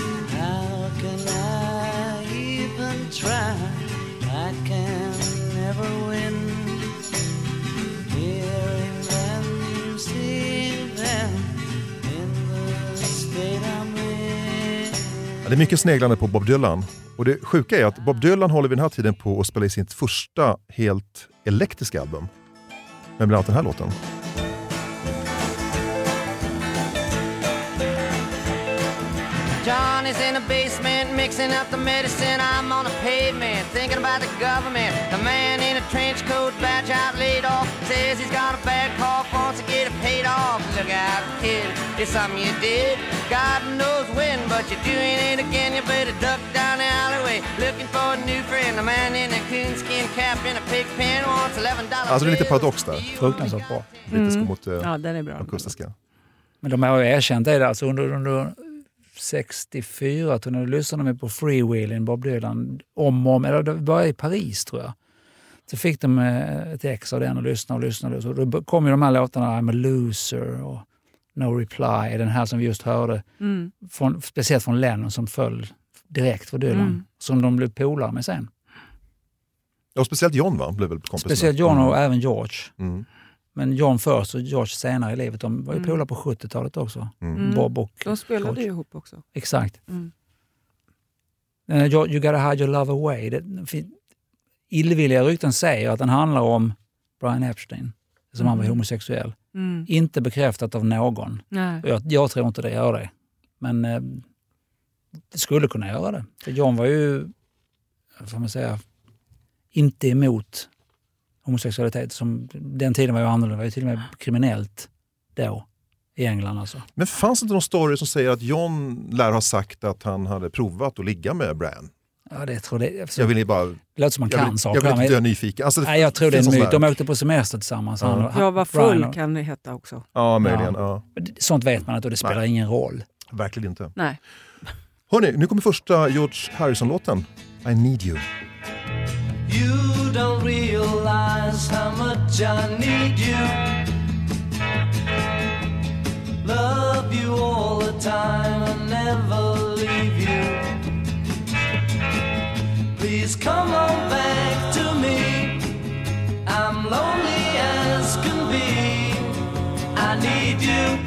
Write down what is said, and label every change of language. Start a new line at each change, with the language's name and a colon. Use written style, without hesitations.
English: How can I even try? I can never win. Hearing them, you see them in the state I'm in.
Swedish: Ja, det är mycket sneglande på Bob Dylan. Och det sjuka är att Bob Dylan håller vid den här tiden på att spela i sitt första helt elektriska album. Med bland annat den här låten.
English: John is in a basement mixing up the medicine. I'm on a pavement thinking about the government. The man in a trench coat batch out laid off. Says he's got a bad cough, wants to get it paid off. Look out kid, it's something you did. God knows when, but you're doing it again. You better duck down the alleyway looking for a new friend. The man in a coonskin cap in a pig pen wants $11.
Swedish: Alltså det är lite paradox där. Fruktansvärt bra. Mm. Lite skor mot ja, den är bra. Akustiska. Men de har ju erkänt det alltså under 64, tror jag, när du lyssnade med på Freewheeling, Bob Dylan, om, eller det var i Paris, tror jag. Så fick de ett ex av den och lyssnade. Och då kom ju de här låtarna, I'm a Loser och No Reply, den här som vi just hörde. Mm. Från, speciellt från Lennon som föll direkt för Dylan. Mm. Som de blev polare med sen. Och speciellt John, va? Blev väl kompis speciellt John och även George. Mm. Men John först och George senare i livet. De var ju polare på 70-talet också. Mm. Bob och de spelade George. Ju ihop också. Exakt. Mm.
English: You gotta hide your love away.
Swedish: Illvilliga rykten säger att den handlar om Brian Epstein. Som han var homosexuell. Mm. Inte bekräftat av någon. Nej. Jag tror inte det gör det. Men det skulle kunna göra det. För John var ju, får man säga, inte emot homosexualitet, som den tiden var ju annorlunda, var ju till och med kriminellt då i England alltså. Men fanns det inte någon story som säger att John lär ha sagt att han hade provat att ligga med Brian? Ja, det tror jag. Jag vill ju bara... Det låter som man kan saker. Jag vill inte dö nyfiken. Alltså, nej, jag tror det är en myt. De åkte på semester tillsammans. Ja, jag var full och, kan det heta också. Ja, möjligen. Ja. Ja. Sånt vet man att det spelar ingen roll. Verkligen inte. Nej. Hörrni, nu kommer första George Harrison-låten.
English: I Need You. You don't realize how much I need you. Love you all the time and never leave you. Please come on back to me. I'm lonely as can be. I need you.